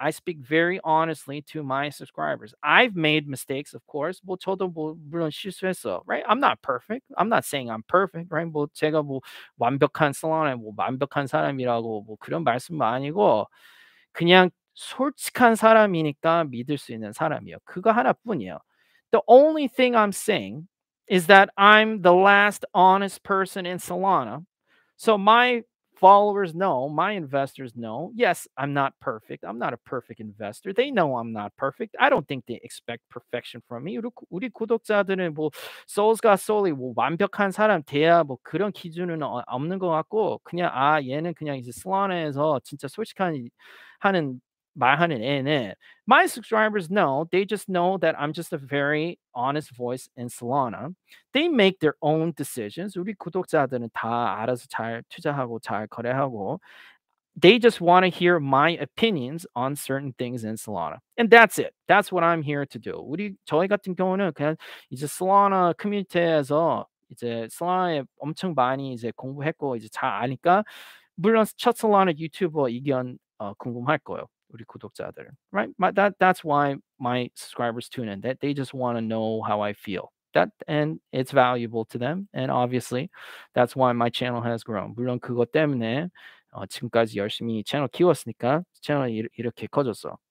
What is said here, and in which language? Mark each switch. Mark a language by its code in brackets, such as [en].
[en] I speak very honestly to my subscribers. I've made mistakes, of course. 뭐 저도 뭐 물론 실수했어, right? I'm not perfect. I'm not saying I'm perfect, right? [ko] 뭐 제가 뭐 완벽한 Solana, 뭐 완벽한 사람이라고 뭐 그런 말씀도 아니고 그냥 솔직한 사람이니까 믿을 수 있는 사람이에요. 그거 하나뿐이에요. [en] The only thing I'm saying is that I'm the last honest person in Solana. So my followers know, my investors know, yes, I'm not perfect. I'm not a perfect investor. They know I'm not perfect. I don't think they expect perfection from me. [ko] 우리 구독자들은 뭐 Soul'sGotSOL이 뭐 완벽한 사람 돼야 뭐 그런 기준은 없는 것 같고 그냥 아 얘는 그냥 이제 Solana에서 진짜 솔직한 하는 [en] 500 in it. My subscribers know, they just know that I'm just a very honest voice in Solana. They make their own decisions. [ko] 우리 구독자들은 다 알아서 잘 투자하고 잘 거래하고. [en] They just want to hear my opinions on certain things in Solana. And that's it. [ko] That's what I'm here to do. 우리 저희 같은 경우는 그냥 이제 Solana 커뮤니티에서 이제 Solana에 엄청 많이 이제 공부했고 이제 잘 아니까 물론 첫 Solana 유튜버 의견 궁금할 거예요. 우리 구독자들. Right? [en] That's why my subscribers tune in. They just want to know how I feel. That, and it's valuable to them. And obviously, that's why my channel has grown. [ko] 물론 그거 때문에 지금까지 열심히 채널 키웠으니까 채널이 이렇게 커졌어.